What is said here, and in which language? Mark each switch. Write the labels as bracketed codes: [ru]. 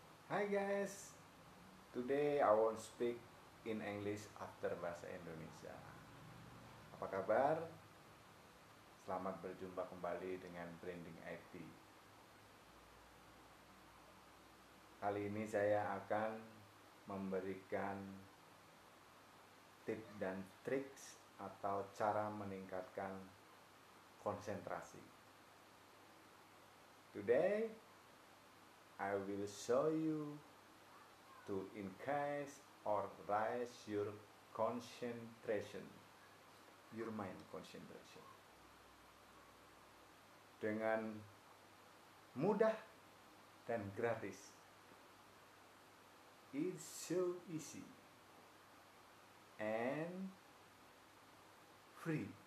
[en] Hi guys, today I won't speak in English after bahasa Indonesia. [id] Apa kabar? Selamat berjumpa kembali dengan Branding IT. Kali ini saya akan memberikan tips dan tricks atau cara meningkatkan konsentrasi. [en] Today I will show you to increase or raise your concentration, your mind concentration. [id] Dengan mudah dan gratis. [en] It's so easy and free.